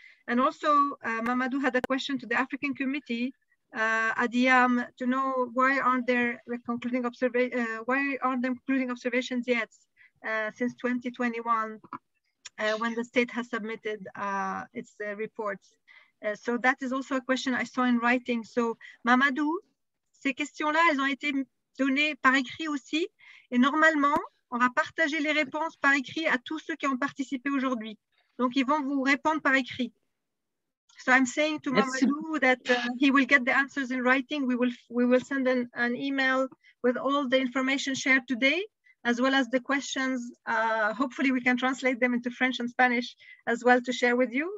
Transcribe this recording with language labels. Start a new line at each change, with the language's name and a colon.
English: And also, Mamadou had a question to the African Committee, Adiyam, to know why aren't they concluding observations yet since 2021 when the state has submitted its reports. So that is also a question I saw in writing.
French: So Mamadou, ces questions-là, elles ont été données par écrit aussi. Et normalement, on va partager les réponses par écrit à tous ceux qui ont participé aujourd'hui. Donc, ils vont vous répondre par écrit.
English: So I'm saying to Mamadou that he will get the answers in writing. We will send an email with all the information shared today, as well as the questions. Hopefully, we can translate them into French and Spanish as well to share with you.